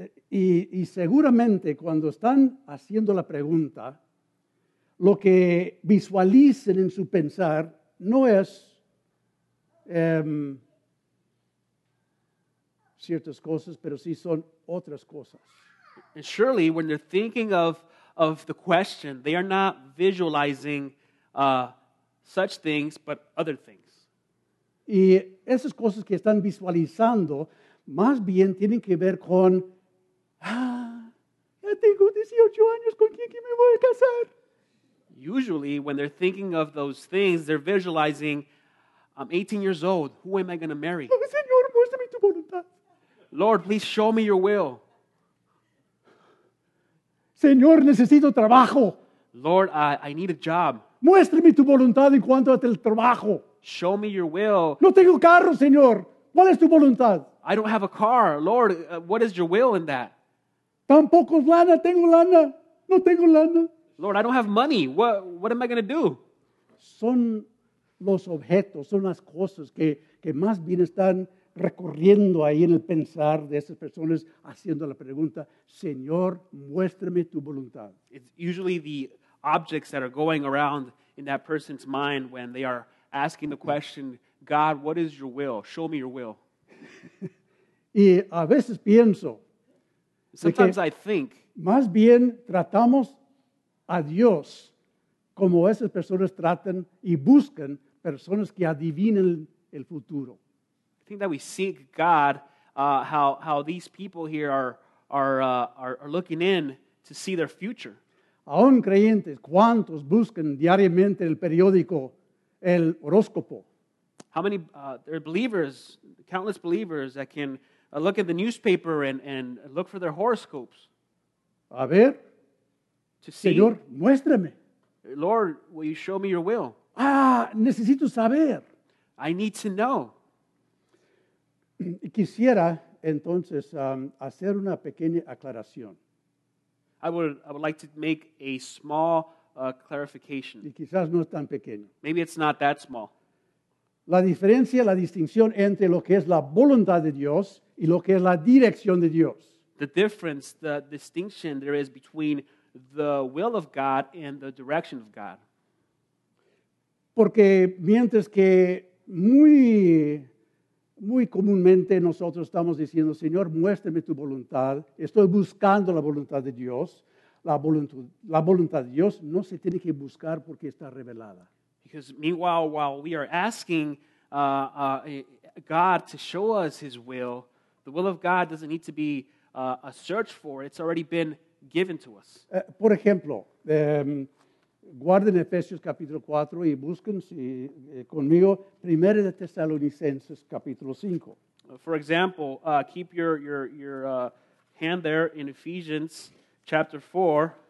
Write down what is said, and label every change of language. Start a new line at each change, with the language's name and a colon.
Spanish: Y seguramente cuando están haciendo la pregunta, lo que visualicen en su pensar no es ciertas cosas, pero sí son otras cosas.
English: And surely when they're thinking of the question, they are not visualizing such things, but other things.
Spanish: Y esas cosas que están visualizando, más bien tienen que ver con, ya tengo 18 años, ¿con quién que me voy a casar?
English: Usually, when they're thinking of those things, they're visualizing, I'm 18 years old, who am I going to marry?
Spanish: Oh, Señor, muéstrame tu voluntad.
English: Lord, please show me your will.
Spanish: Señor, necesito trabajo.
English: Lord, I need a job.
Spanish: Muéstrame tu voluntad en cuanto al trabajo.
English: Show me your will.
Spanish: No tengo carro, Señor. ¿Cuál es tu voluntad?
English: I don't have a car. Lord, what is your will in that?
Spanish: Tampoco lana. Tengo lana. No tengo lana.
English: Lord, I don't have money. What am I going to do?
Spanish: Son los objetos, son las cosas que más bien están recorriendo ahí en el pensar de esas personas haciendo la pregunta, Señor, muéstrame tu voluntad.
English: It's usually the objects that are going around in that person's mind when they are asking the question, God, what is your will? Show me your will.
Spanish: Y a veces pienso.
English: Sometimes I think.
Spanish: Más bien tratamos a Dios como esas personas tratan y buscan personas que adivinen el futuro.
English: I think that we seek God, how these people here are looking in to see their future.
Spanish: Aún creyentes, ¿cuántos buscan diariamente el periódico, el horóscopo?
English: How many there are believers, countless believers that can look at the newspaper and look for their horoscopes?
Spanish: A ver,
English: to see.
Spanish: Señor, muéstrame.
English: Lord, will you show me your will?
Spanish: Ah, necesito saber.
English: I need to know.
Spanish: Quisiera entonces hacer una pequeña aclaración.
English: I would like to make a small clarification.
Spanish: Y quizás no es tan pequeño.
English: Maybe it's not that small.
Spanish: La diferencia, la distinción entre lo que es la voluntad de Dios y lo que es la dirección de Dios.
English: The difference, the distinction there is between the will of God and the direction of God.
Spanish: Porque mientras que muy comúnmente nosotros estamos diciendo, Señor, muéstrame tu voluntad, estoy buscando la voluntad de Dios, la voluntad de Dios no se tiene que buscar porque está revelada.
English: Because meanwhile, while we are asking God to show us his will, the will of God doesn't need to be a search for. It's already been given to us.
Spanish: Por ejemplo, guarden Efesios capítulo 4 y busquen conmigo 1 de Tesalonicenses capítulo 5.
English: For example, keep your hand there in Ephesians chapter 4.